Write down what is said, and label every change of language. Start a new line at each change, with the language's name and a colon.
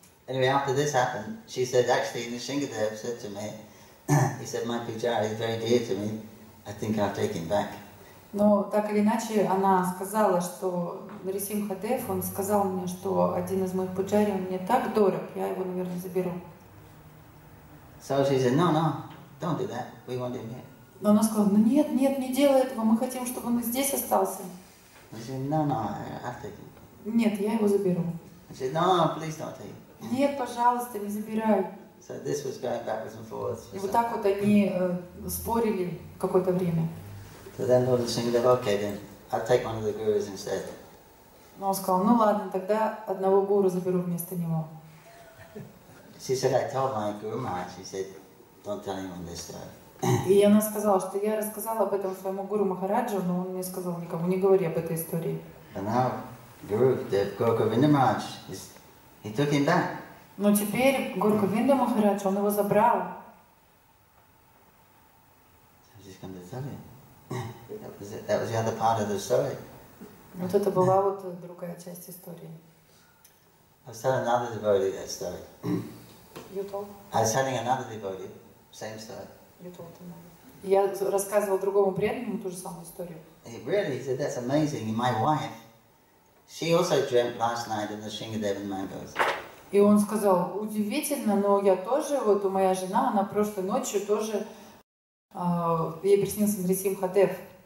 English: Anyway, after this happened, she said, actually, Nisingadev said to me, he said, my pujari is very dear to me. I think I'll take him back.
Russian: Но так или иначе, она сказала, что Нарисимхадев, он сказал мне, что один из моих пуджари мне так дорог, я его, наверное, заберу.
English: So she said, no, no, don't do that. We want him here.
Russian: Но она сказала, ну нет, нет, не делай этого, мы хотим, чтобы он здесь остался.
English: I said, no, no, I'll take him.
Russian: Нет, я его заберу.
English: I said, no, please don't take him.
Russian: Нет, пожалуйста, не забирай.
English: So this was going backwards and forwards.
Russian: И вот так вот они спорили какое-то время.
English: So then Lord Nrisimhadev, okay then, I'll take one of the gurus instead.
Russian: Но он сказал, ну ладно, тогда одного гуру заберу вместо него.
English: She said, I told my guru Maharaj, she said, don't tell anyone this story.
Russian: И она сказала, что я рассказала об этом своему гуру Махараджу, но он мне сказал, никому не говори об этой истории.
English: And now, guru, the Gurgavinda Maharaj, he took him back.
Russian: Но теперь Гургавинда Махарадж, он его забрал.
English: So I'm just going to tell you. That was the other part of the story.
Russian: Вот это была вот другая часть истории.
English: I was telling another devotee that story. You told. I was telling another devotee, same story. You told him.
Russian: Я рассказывал другому преданному ту же самую историю.
English: He really said, "That's amazing. My wife, she also dreamt last night of the Shingadev and mangoes."
Russian: И он сказал, удивительно, но я тоже вот у моя жена, она прошлой ночью тоже ей приснился Нарисимхадев.